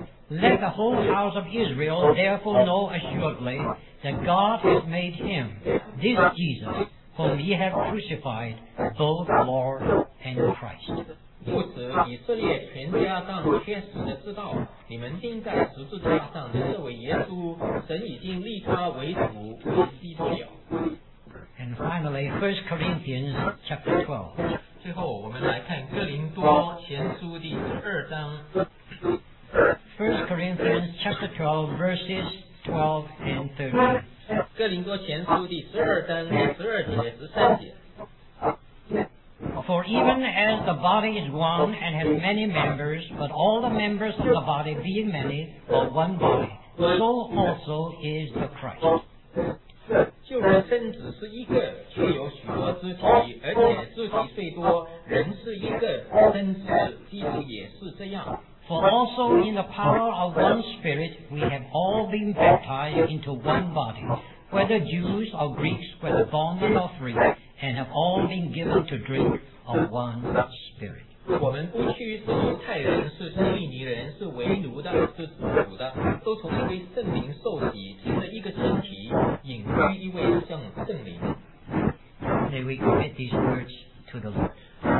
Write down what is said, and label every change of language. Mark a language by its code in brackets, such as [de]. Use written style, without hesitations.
[en] Let the whole house of Israel therefore know assuredly that God has made him, this Jesus, whom ye have crucified, both Lord and Christ. [zh] 故此以色列全家当确实的知道，你们钉在十字架上的这位耶稣，神已经立他为主为基督了。 [en] And finally, 1 Corinthians chapter 12. [zh] 最后我们来看哥林多前书第十二章。 [en] 1 Corinthians chapter 12, verses 12 and 13. [zh] 哥林多前书第十二章第十二节十三节。 [en] For even as the body is one and has many members, but all the members of the body being many are one body, so also is the Christ. [zh] 就如身子是一个，却有许多肢体，而且肢体虽多，人是一个，身子基督也是这样。 [en] For also in the power of one Spirit we have all been baptized into one body, whether Jews or Greeks, whether bond or free, and have all been given to drink of one Spirit. [zh] 我们不拘是犹太人，是腓尼基人，是为奴的，是自主的，都从一位圣灵受洗，成了一个身体。 [en] May we commit these words to the Lord.